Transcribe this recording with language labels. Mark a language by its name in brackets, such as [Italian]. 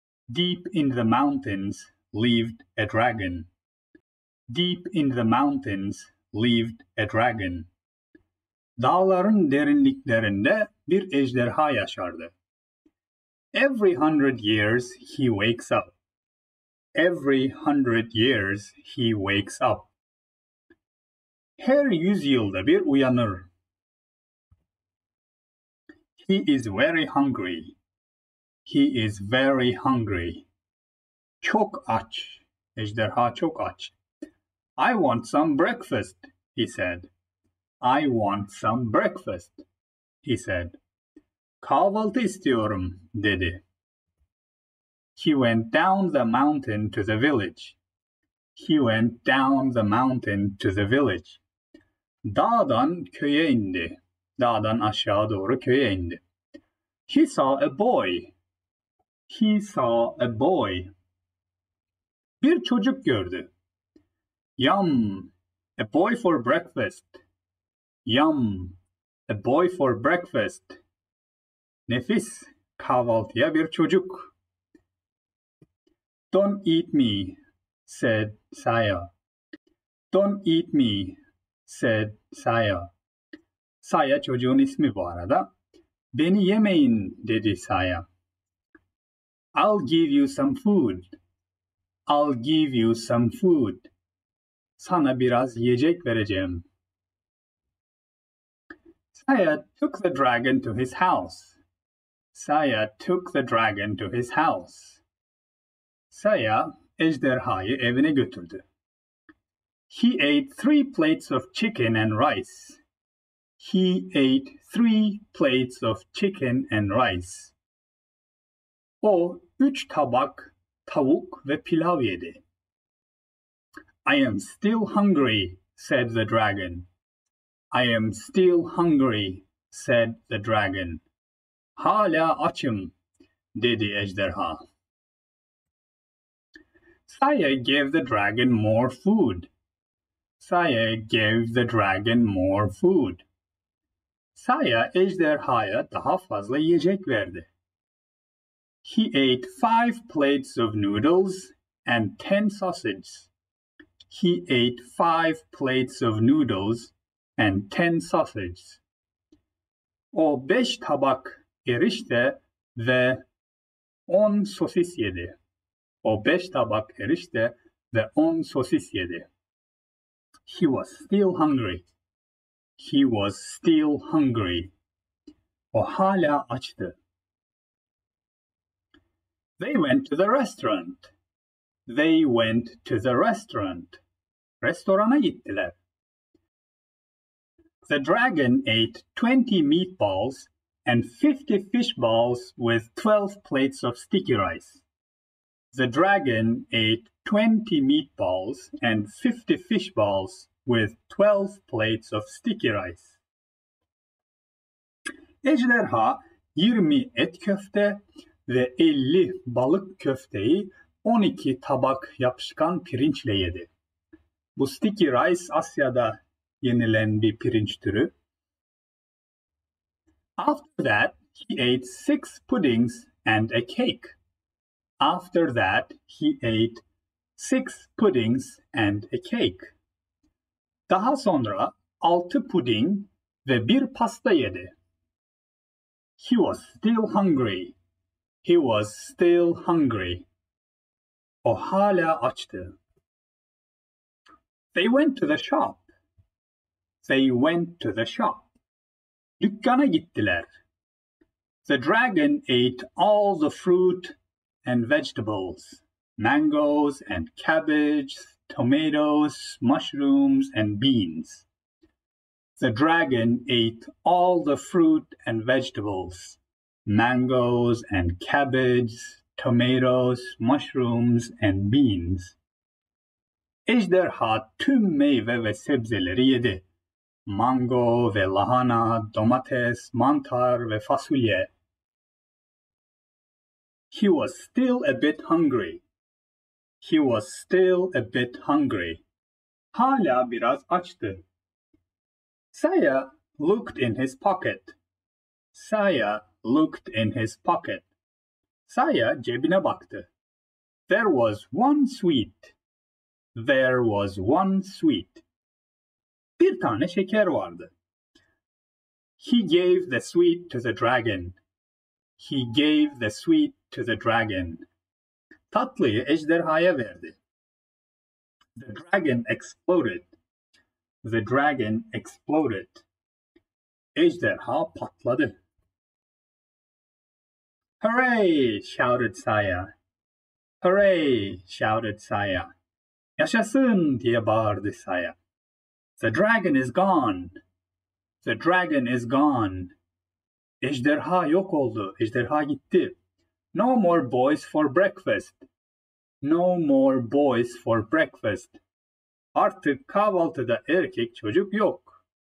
[English] Deep in the mountains lived a dragon. Deep in the mountains lived a dragon. [Turkish] Dağların derinliklerinde bir ejderha yaşardı. [English] Every 100 years he wakes up. Every 100 years he wakes up. [Turkish] Her 100 yılda bir uyanır. [English] He is very hungry. He is very hungry. [Turkish] Çok aç. Ejderha çok aç. [English] I want some breakfast, he said. I want some breakfast, he said. [Turkish] Kahvaltı istiyorum, dedi. [English] He went down the mountain to the village. He went down the mountain to the village. [Turkish] Dağdan köye indi. Dağdan aşağı doğru köye indi. [English] He saw a boy. He saw a boy. [Turkish] Bir çocuk gördü. [English] Yum, a boy for breakfast. Yum, a boy for breakfast. [Turkish] Nefis, kahvaltıya bir çocuk. [English] Don't eat me, said Saya. Don't eat me, said Saya. [Turkish] Saya çocuğun ismi bu arada. Beni yemeyin, dedi Saya. [English] I'll give you some food. I'll give you some food. [Turkish] Sana biraz yiyecek vereceğim. [English] Saya took the dragon to his house. Saya took the dragon to his house. [Turkish] Saya ejderhayı evine götürdü. [English] He ate 3 plates of chicken and rice. He ate 3 plates of chicken and rice. [Turkish] O 3 tabak tavuk ve pilav yedi. [English] I am still hungry, said the dragon. I am still hungry, said the dragon. [Turkish] Hala açım, dedi ejderha. [English] Saya gave the dragon more food. Saya gave the dragon more food. [Turkish] Saya ejderhaya daha fazla yiyecek verdi. [English] He ate 5 plates of noodles and 10 sausages. He ate 5 plates of noodles and 10 sausages. [Turkish] O 5 tabak erişte ve 10 sosis yedi. O 5 tabak erişte ve 10 sosis yedi. [English] He was still hungry. He was still hungry. [Turkish] O hala açtı. [English] They went to the restaurant. They went to the restaurant. [Turkish] Restorana gittiler. [English] The dragon ate 20 meatballs and 50 fish balls with 12 plates of sticky rice. The dragon ate 20 meatballs and 50 fish balls with 12 plates of sticky rice. [Turkish] Ejderha 20 et köfte ve 50 balık köfteyi 12 tabak yapışkan pirinçle yedi. Bu [English] sticky rice [Turkish] Asya'da yenilen bir pirinç türü. [English] After that, he ate 6 puddings and a cake. After that, he ate 6 puddings and a cake. [Turkish] Daha sonra 6 puding ve 1 pasta yedi. [English] He was still hungry. He was still hungry. [Turkish] O hala açtı. [English] They went to the shop. They went to the shop. [Turkish] Dükkana gittiler. [English] The dragon ate all the fruit and vegetables. Mangoes and cabbage, tomatoes, mushrooms and beans. The dragon ate all the fruit and vegetables. Mangoes and cabbage, tomatoes, mushrooms and beans. [Turkish] Ejderha tüm meyve ve sebzeleri yedi. Mango ve lahana, domates, mantar ve fasulye. [English] He was still a bit hungry. He was still a bit hungry. [Turkish] Hala biraz açtı. [English] Saya looked in his pocket. Saya looked in his pocket. [Turkish] Saya 제비나 봤다. [English] There was one sweet. There was one sweet. [Turkish] 뒤에 타네 şeker vardı. [English] He gave the sweet to the dragon. He gave the sweet to the dragon. [Turkish] Tatlıyı ejderhaya verdi. [English] The dragon exploded. The dragon exploded. [Turkish] Ejderha patladı. [English] Hooray! Shouted Saya. Hooray! Shouted Saya. [Turkish] Yaşasın! Diye bağırdı Saya. [English] The dragon is gone. The dragon is gone. [Turkish] Ejderha yok oldu. Ejderha gitti. [English] No more boys for breakfast. No more boys for breakfast. [Turkish] Artık kahvaltıda erkek çocuk yok.